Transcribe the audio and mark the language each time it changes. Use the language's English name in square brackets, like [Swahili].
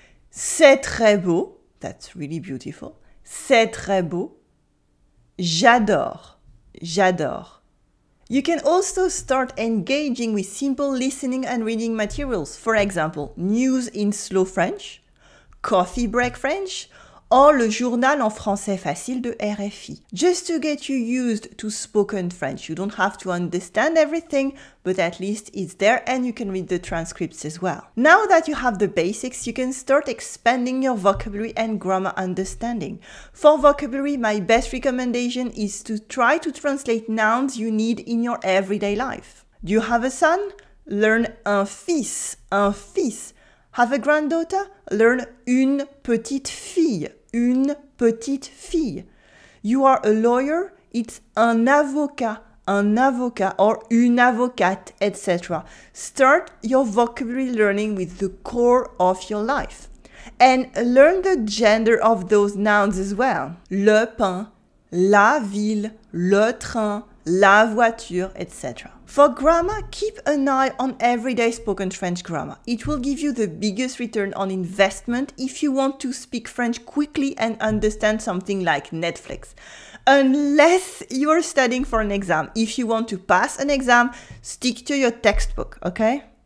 [French] C'est très beau, [English] that's really beautiful. [French] C'est très beau. J'adore, j'adore. [English] You can also start engaging with simple listening and reading materials. For example, news in slow French, coffee break French, or le journal en français facile de RFI. Just to get you used to spoken French. You don't have to understand everything, but at least it's there and you can read the transcripts as well. Now that you have the basics, you can start expanding your vocabulary and grammar understanding. For vocabulary, my best recommendation is to try to translate nouns you need in your everyday life. Do you have a son? Learn [French] un fils, un fils. [English] Have a granddaughter? Learn [French] une petite fille, une petite fille. [English] You are a lawyer? It's [French] un avocat, [English] or [French] une avocate, [English] etc. Start your vocabulary learning with the core of your life. And learn the gender of those nouns as well. [French] Le pain, la ville, le train, la voiture, etc. [English] For grammar, keep an eye on everyday spoken French grammar. It will give you the biggest return on investment if you want to speak French quickly and understand something like Netflix. Unless you are studying for an exam. If you want to pass an exam, stick to your textbook, okay?